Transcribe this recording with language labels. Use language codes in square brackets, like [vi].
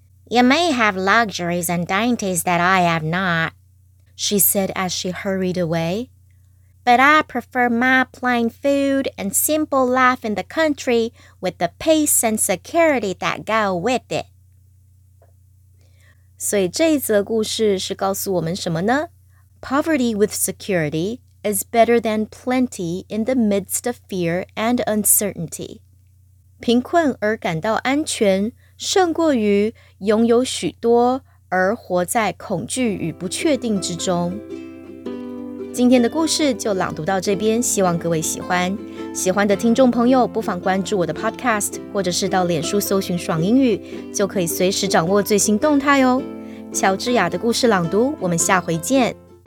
[en] "You may have luxuries and dainties that I have not," she said as she hurried away. But I prefer my plain food and simple life in the country with the peace and security that go with it. [zh] 所以这一则故事是告诉我们什么呢? [en] Poverty with security is better than plenty in the midst of fear and uncertainty. [zh] 贫困而感到安全胜过于拥有许多而活在恐惧与不确定之中。今天的故事就朗读到这边，希望各位喜欢。喜欢的听众朋友不妨关注我的 podcast， 或者是到脸书搜寻爽英语，就可以随时掌握最新动态哦。乔治亚的故事朗读，我们下回见。